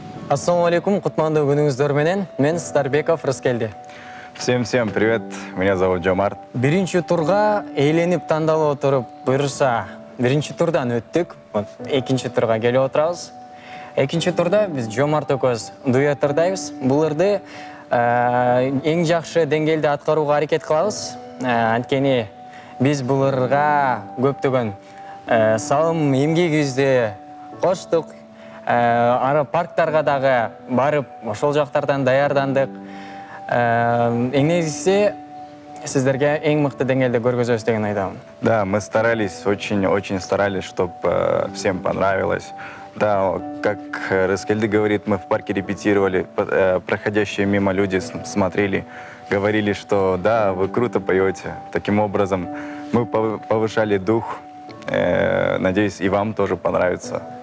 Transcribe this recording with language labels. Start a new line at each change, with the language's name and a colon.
Kyrgyz: Ассаламу алейкум, кутманды күніңіздер менен. Мен Старбеков Рыскелде.
Russian: Всем-всем привет, меня зовут Жомарт.
Kyrgyz: Биринчи турга эйленип тандалып отуруп, буйрса, биринчи турдан өттүк, экинчи турга келип отурабыз. Экинчи турда биз Жомарт экөөбүз дуэттердейбиз. Буларды эң жакшы деңгээлде аткарууга аракет кылабыз. Анткени биз буларга көптөгөн салым эмгегибизди коштук. Ара парктарга дагы барып, ошол жактардан даярдандык. Эң негизги сиздерге эң мыкты деңгээлде көргөзөбүз деген айдамын.
Russian: Да, мы старались, очень-очень старались, чтоб всем понравилось. Да, как Рыскелде говорит, мы в парке репетировали, проходящие мимо люди смотрели, говорили, что да, вы круто поете. Таким образом, мы повышали дух. Надеюсь, и вам тоже понравится.